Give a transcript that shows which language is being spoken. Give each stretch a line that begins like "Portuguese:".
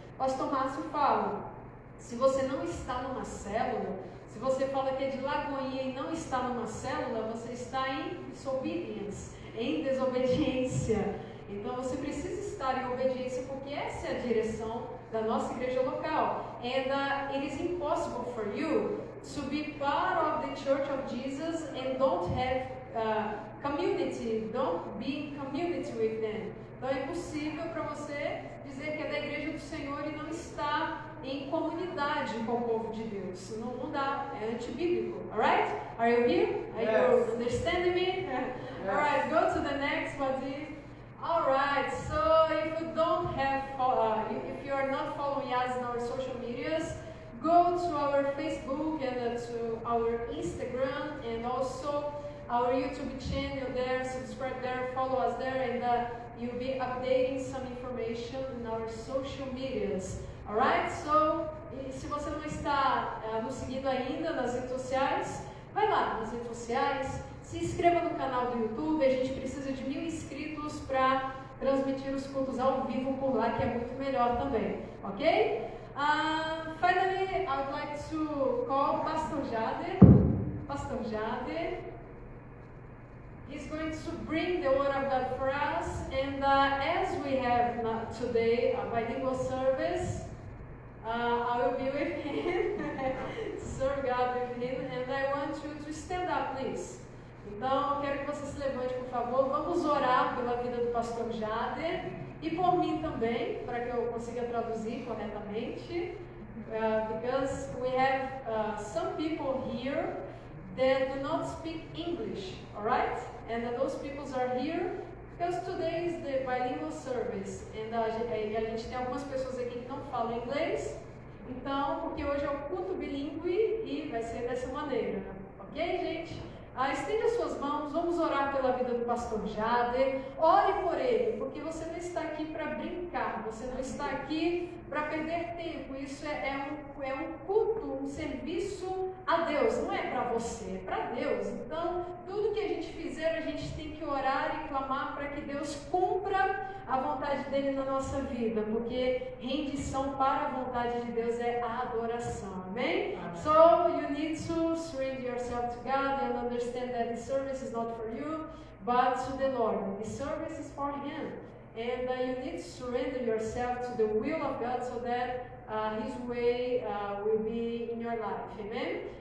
Portuguese: Pastor Márcio fala, se você não está numa célula, se você fala que é de Lagoinha e não está numa célula, você está em disobedience, em desobediência. Então você precisa estar em obediência, porque essa é a direção da nossa igreja local.
English: And it is impossible for you to be part of the Church of Jesus and don't have community, don't be in community with them.
Portuguese: Então é impossível para você dizer que é da igreja do Senhor e não está em comunidade com o povo de Deus. Não dá, é antibíblico.
English: Alright? Are you here? Are yes. you understanding me? Yes. Alright, go to the next, buddy. Alright, so if you don't have, if you are not following us in our social medias, go to our Facebook and to our Instagram and also our YouTube channel there, subscribe there, follow us there, and you'll be updating some information in our social medias. Alright?
Portuguese: So, se você não está nos seguindo ainda nas redes sociais, vai lá nas redes sociais, se inscreva no canal do YouTube, a gente precisa de 1000 inscritos para transmitir os cultos ao vivo por lá, que é muito melhor também. Ok?
English: Finally, I would like to call Pastor Jader. Pastor Jader. He's going to bring the Word of God for us, and as we have today a bilingual service, I will be with him, serve God with him, and I want you to stand up, please.
Portuguese: Então, quero que você se levante, por favor, vamos orar pela vida do Pastor Jader, e por mim também, para que eu consiga traduzir corretamente,
English: because we have some people here that do not speak English, all right? And that those people are here because today is the bilingual service.
Portuguese: And a gente tem algumas pessoas aqui que não falam inglês. Então, porque hoje é o culto bilíngue e vai ser dessa maneira. Ok, gente? Estenda suas mãos, vamos orar pela vida do pastor Jader. Ore por ele, porque você não está aqui para brincar, você não está aqui para perder tempo. Isso é um culto, um serviço a Deus, não é para você, é para Deus. Então, tudo que a gente fizer, a gente tem que orar e clamar para que Deus cumpra a vontade dele na nossa vida, porque rendição para a vontade de Deus é a adoração. Amém?
English: So, you need to surrender yourself to God and understand that the service is not for you, but to the Lord. The service is for Him. And you need to surrender yourself to the will of God so that His way will be in your life. Amen?